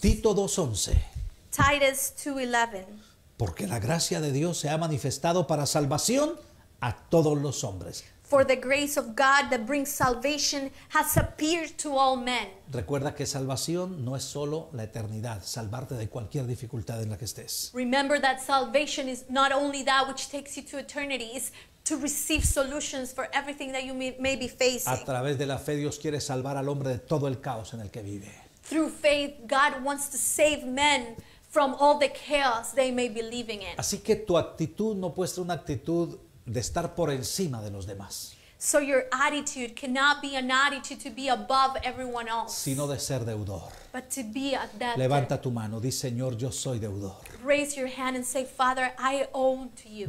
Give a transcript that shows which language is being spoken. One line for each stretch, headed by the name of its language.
Spanish: Tito 2:11.
English: Titus 2:11.
Spanish: Porque la gracia de Dios se ha manifestado para salvación a todos los hombres.
English: For the grace of God that brings salvation has appeared to all men.
Spanish: Recuerda que salvación no es solo la eternidad, salvarte de cualquier dificultad en la que estés.
English: Remember that salvation is not only that which takes you to eternity, it's to receive solutions for everything that you may be facing.
Spanish: A través de la fe Dios quiere salvar al hombre de todo el caos en el que vive.
English: Through faith God wants to save men from all the chaos they may be living in.
Spanish: Así que tu actitud no puede ser una actitud de estar por encima de los demás.
English: So your attitude cannot be an attitude to be above everyone else.
Spanish: Sino de ser deudor.
English: But to be a debtor.
Spanish: Levanta tu mano, di Señor, yo soy deudor.
English: Raise your hand and say, Father, I owe to you.